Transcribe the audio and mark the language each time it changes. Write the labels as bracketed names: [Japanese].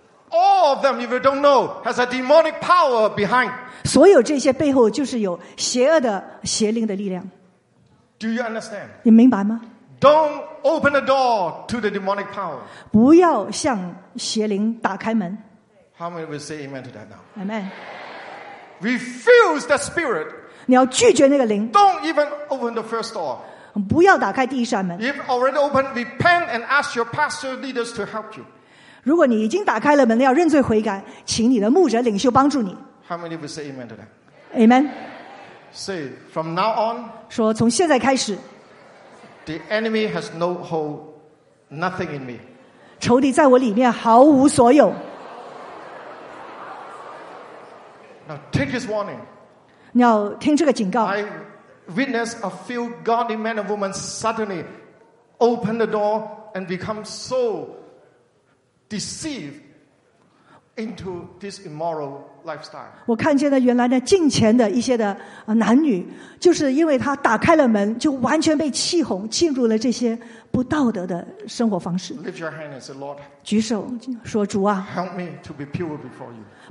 [English] All of them, if you don't know, has a demonic power behind. [Chinese] 所有这些背后就是有邪恶的邪灵的力量。 [English] Do you understand? [Chinese] 你明白吗？ [English] Don't open the door to the demonic power. [Chinese] 不要向邪灵打开门。 [English] How many will say amen to that now? Amen. Refuse the spirit. [Chinese] 你要拒绝那个灵。 [English] Don't even open the first door. [Chinese] 不要打开第一扇门。 [English] If already opened, repent and ask your pastor leaders to help you. [Chinese] 如果你已经打开了门，要认罪悔改，请你的牧者领袖帮助你。 [English] How many will say amen to that? Amen. Say from now on. [Chinese] 说从现在开始。 [English] The enemy has no hold, nothing in me. [Chinese] 仇敌在我里面毫无所有。 [English] Now take this warning. [Chinese] 你要听这个警告。 [English] I witness a few godly men and women suddenly open the door and become so deceived. Into this immoral lifestyle. [Chinese] 我看见了原来的近前的一些的男女，就是因为他打开了门，就完全被气哄，进入了这些不道德的生活方式。 [English] Lift your hand and say, Lord. [Chinese] 举手说主啊。 [English] Help me to be pure before you.